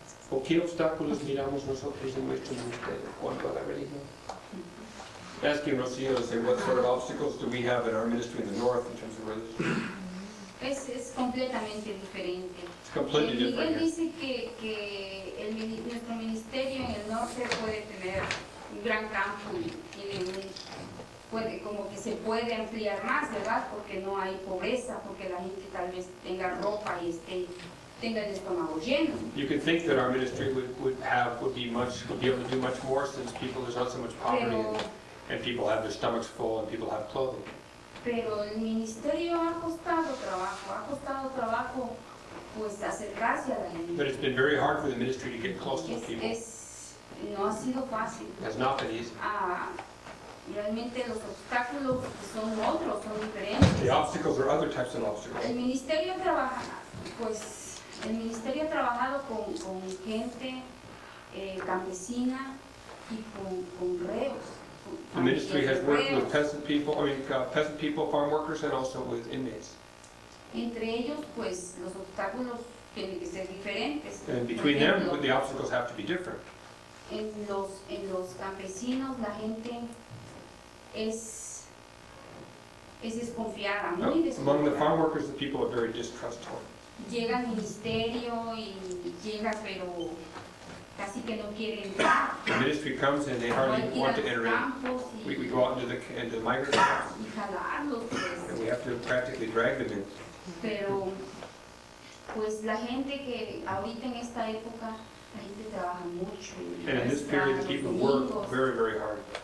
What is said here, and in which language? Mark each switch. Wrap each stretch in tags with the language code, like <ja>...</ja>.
<es>¿O qué obstáculos miramos nosotros en nuestro ministerio en cuanto a la religión?</es> <en>Asking Rocío, say, what sort of obstacles do we have in our ministry in the north in terms of religion?</en> <es>Es completamente diferente.</es> <en>It's completely Miguel different.</en> <es>Miguel dice que el, nuestro ministerio en el norte puede tener un gran campo y tiene puede, como que se puede ampliar más, ¿verdad? Porque no hay pobreza, porque la gente tal vez tenga ropa y esté.</es> <en>You can think that our ministry would be able to do much more since people there's not so much poverty and people have their stomachs full and people have clothing.</en> <es>Pero el ministerio ha costado trabajo pues acercarse a la gente.</es> <en>But it's been very hard for the ministry to get close to the people.</en> <es>No ha sido fácil.</es> <en>It has not been easy.</en> <es>Realmente los obstáculos son otros, son diferentes.</es> <en>The obstacles are other types of obstacles.</en> <es>El ministerio trabaja pues. El ministerio ha trabajado con gente campesina y con reos.</es> <en>The ministry has worked with peasant people, farm workers, and also with inmates.</en> <es>Entre ellos, pues, los obstáculos tienen que ser diferentes.</es> <en>And between them, the obstacles have to be different.</en> <es>En los campesinos, la gente es desconfiada, muy desconfiada.</es> <en>Among the farm workers, the people are very distrustful.</en> <es>Llega al ministerio y llega, pero casi que no quiere entrar.</es> <en>The ministry comes and they hardly want to enter in. We go out into the migrant camps.</en> <es>Y jalarlos, pues.</es> <en>And we have to practically drag them in.</en> <es>Pero, pues la gente que ahorita en esta época, la gente trabaja mucho.</es> <en>And in this period, people work very, very hard.</en>